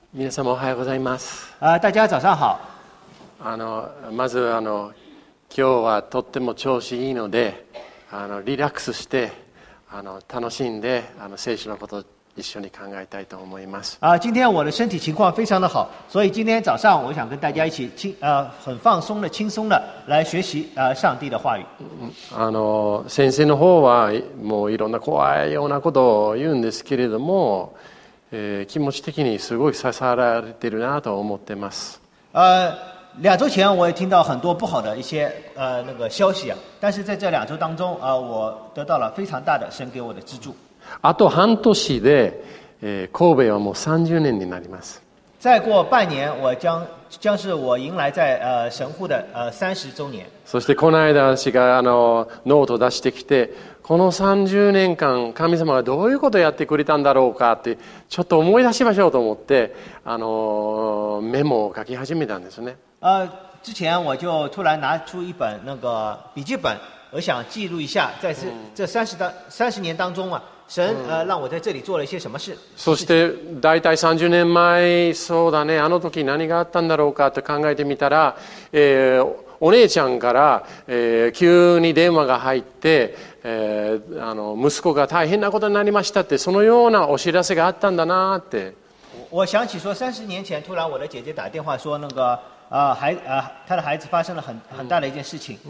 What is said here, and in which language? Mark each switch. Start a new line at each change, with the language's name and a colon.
Japanese: 皆様おはようございます。
Chinese: 大家早上好。
Japanese: まず今日はとっても調子いいので、リラックスして楽しんで聖書のことを一緒に考えたいと思います。
Chinese: 今天我的身体情况非常的好，所以今天早上我想跟大家一起很放松的、轻松的来学习上帝的话语。
Japanese: 先生の方はもういろんな怖いようなことを言うんですけれども、気持ち的にすごい刺さられてるなと思ってます。
Chinese: 2周前我也听到很多不好的一些那个消息啊，但是在这两周当中我得到了非常大的神给我的支柱。
Japanese: あと半年で、神戸はもう30年になります。
Chinese: 再过半年我 将是我迎来在神户的30周年。
Japanese: そしてこの間私がノート出してきて、この30年間神様がどういうことをやってくれたんだろうかってちょっと思い出しましょうと思ってメモを書き始めたんですね。
Chinese: 之前我就突然拿出一本那个笔记本，我想记录一下在这三十年当中啊，神让我在这里做了一些什么事。
Japanese: そして大体30年前、そうだね、あの時何があったんだろうかと考えてみたら、お姉ちゃんから、急に電話が入って、息子が大変なことになりましたって、そのようなお知らせがあったんだなって。
Chinese: 我想起说30年前突然我的姐姐打电话说那个他的孩子发生了 很大的一件事情。